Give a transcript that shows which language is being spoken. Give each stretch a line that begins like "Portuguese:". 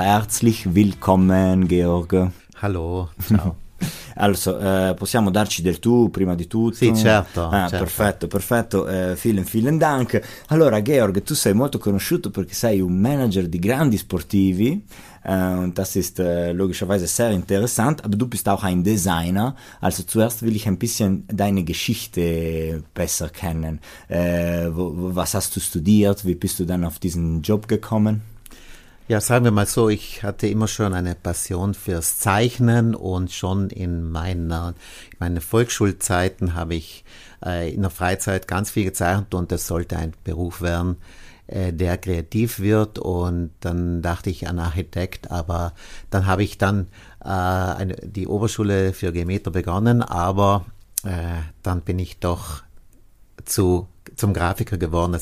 German: Herzlich willkommen, Georg. Hallo,
Italian: ciao.
German: Also,
Italian: possiamo darci del tu prima di tutto? Sì, certo. Ah, certo. Perfetto.
German: Vielen Dank.
Italian: Allora, Georg, tu sei molto conosciuto perché sei un manager di grandi sportivi.
German: Das ist logischerweise sehr interessant, aber du bist auch ein Designer. Also zuerst will ich ein bisschen deine Geschichte besser kennen. Was hast du studiert? Wie bist du dann auf diesen Job gekommen? Ja, sagen wir mal so, ich hatte immer schon eine Passion fürs Zeichnen und schon in meinen Volksschulzeiten habe ich in der Freizeit ganz viel gezeichnet und das sollte ein Beruf werden, der kreativ wird, und dann dachte ich an Architekt, aber dann habe ich dann die Oberschule für Geometer begonnen, aber dann bin ich doch zum Grafiker geworden.